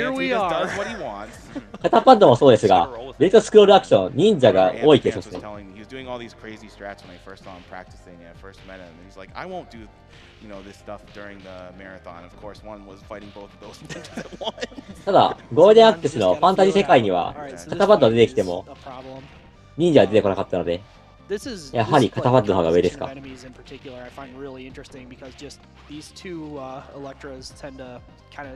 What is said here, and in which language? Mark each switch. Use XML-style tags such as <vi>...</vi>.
<ja>片パッドもそうですが、ベルトスクロールアクション、忍者が多いけどですね。</ja> <en>Doing all these crazy strats when I first saw him practicing and I first met him. And he's like, I won't do, you know, this stuff during the marathon. Of course, one was fighting both of those ninjas at once.</en> <ja>ただ、ゴールデンアックスのファンタジー世界には、カタパッド出てきても、忍者は出てこなかったので、やはりカタパッドの方が上ですか。</ja> <en>Enemies in particular, I find really interesting because just these two Electras tend to kind of.</en>